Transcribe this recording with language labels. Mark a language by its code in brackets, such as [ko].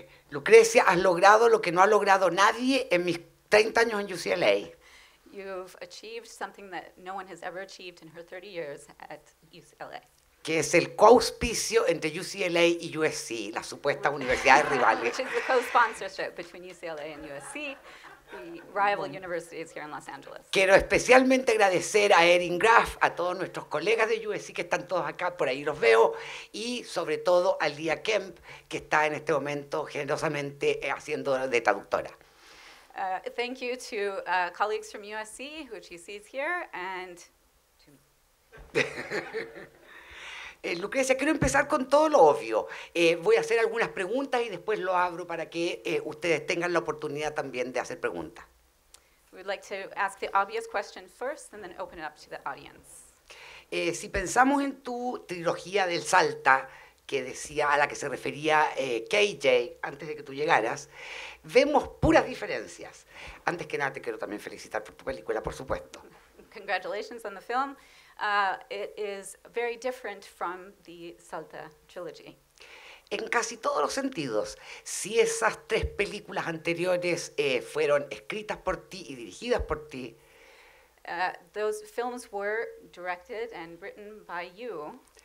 [es] Lucretia, has logrado lo que no ha logrado nadie en mis 30 años en UCLA. [en] You've achieved something that no one has ever achieved in her 30 years at UCLA. [es] Que es el co-auspicio entre UCLA y USC, las supuestas universidades rivales. [en] Which is the co-sponsorship between UCLA and USC, the rival universities here in Los Angeles. [es] Quiero especialmente agradecer a Erin Graff, a todos nuestros colegas de USC que están todos acá, por ahí los veo, y sobre todo a Lia Kemp, que está en este momento generosamente haciendo de traductora. [en] Thank you to colleagues from USC, who she sees here, and to me. [es] Lucretia, quiero empezar con todo lo obvio. Voy a hacer algunas preguntas y después lo abro para que ustedes tengan la oportunidad también de hacer preguntas. [en] We'd like to ask the obvious question first and then open it up to the audience. [es] Si pensamos en tu trilogía del Salta, que decía, a la que se refería KJ antes de que tú llegaras, vemos puras diferencias. Antes que nada, te quiero también felicitar por tu película, por supuesto. [en] Congratulations on the film. It is very different from the Salta trilogy. [es] En casi todos los sentidos, si esas tres películas anteriores fueron escritas por ti y dirigidas por ti. [en] Those films were directed and written by you.